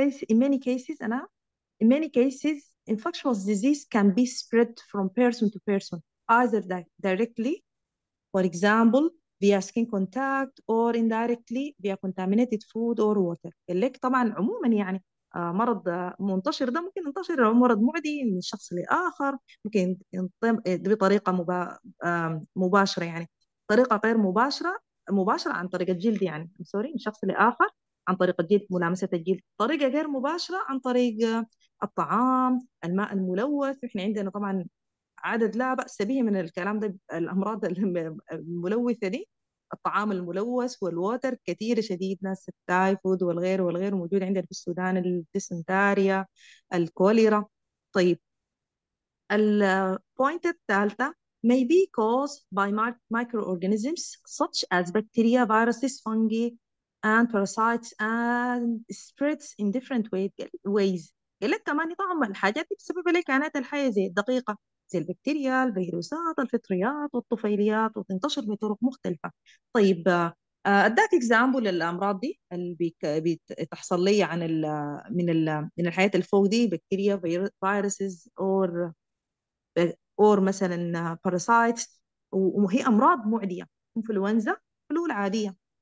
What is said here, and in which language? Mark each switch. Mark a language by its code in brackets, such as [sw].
[en] In many cases infectious disease can be spread from person to person either directly, for example, via skin contact or indirectly via contaminated food or water. [ar] اللي طبعا عموما يعني مرض منتشر ده ممكن ينتشر، مرض معدي من شخص لآخر، ممكن بطريقة مباشرة، يعني طريقة غير مباشرة، مباشرة عن طريق الجلد، يعني سوري، من شخص لآخر عن طريق الجلد، ملامسة الجلد، طريقة غير مباشرة عن طريق الطعام، الماء الملوث. احنا عندنا طبعا عدد لا بأس به من الكلام ده، الأمراض الملوثة دي، الطعام الملوث والووتر كثير شديد، ناس التايفود والغير والغير موجود عندنا في السودان، الديسنتاريا، الكوليرا. طيب، البوينت الثالثة [en] may be caused by microorganisms such as bacteria, viruses, fungi and parasites and spreads in different ways. [ar] قال لك كمان طبعا الحاجات دي بتسبب لك كائنات الحية زي الدقيقة، زي البكتيريا، الفيروسات، الفطريات والطفيليات، وتنتشر بطرق مختلفة. طيب، أداك اكزامبل للأمراض دي اللي بتحصل لي عن الـ من الـ من الحياة اللي فوق دي، بكتيريا، فيروسز، أو مثلا باراسايتس، وهي أمراض معدية، إنفلونزا، فلو العادية،